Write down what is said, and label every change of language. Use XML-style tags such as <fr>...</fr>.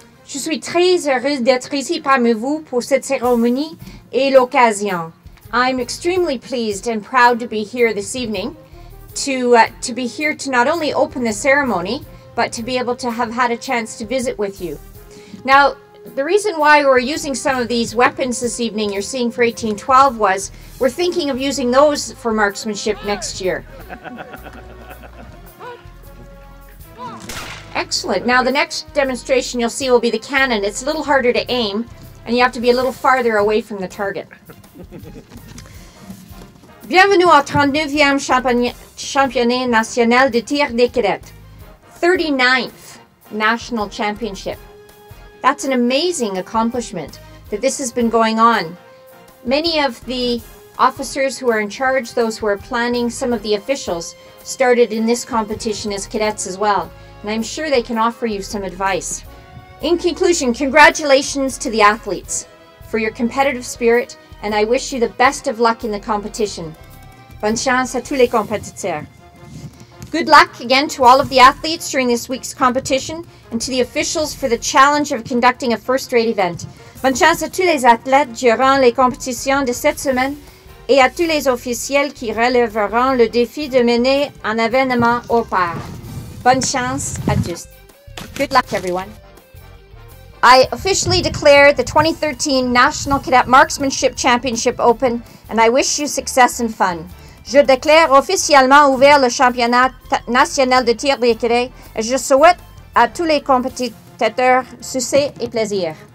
<fr>Je suis très heureuse d'être ici parmi vous pour cette cérémonie et l'occasion.</fr> <en>I'm extremely pleased and proud to be here this evening, to be here to not only open the ceremony, but to be able to have had a chance to visit with you. Now, the reason why we're using some of these weapons this evening you're seeing for 1812 was we're thinking of using those for marksmanship next year. Excellent. Now, the next demonstration you'll see will be the cannon. It's a little harder to aim, and you have to be a little farther away from the target.</en> <fr>Bienvenue au 39e championnat national de tir des cadets.</fr> <en>39th national championship. That's an amazing accomplishment that this has been going on. Many of the officers who are in charge, those who are planning, some of the officials started in this competition as cadets as well. And I'm sure they can offer you some advice. In conclusion, congratulations to the athletes for your competitive spirit, and I wish you the best of luck in the competition.</en> <fr>Bonne chance à tous les compétiteurs.</fr> <en>Good luck again to all of the athletes during this week's competition and to the officials for the challenge of conducting a first-rate event.</en> <fr>Bonne chance à tous les athlètes durant les compétitions de cette semaine et à tous les officiels qui relèveront le défi de mener un événement au pair. Bonne chance à tous.</fr> <en>Good luck, everyone. I officially declare the 2013 National Cadet Marksmanship Championship open, and I wish you success and fun.</en> <fr>Je déclare officiellement ouvert le championnat national de tir des cadets, et je souhaite à tous les compétiteurs succès et plaisir.</fr>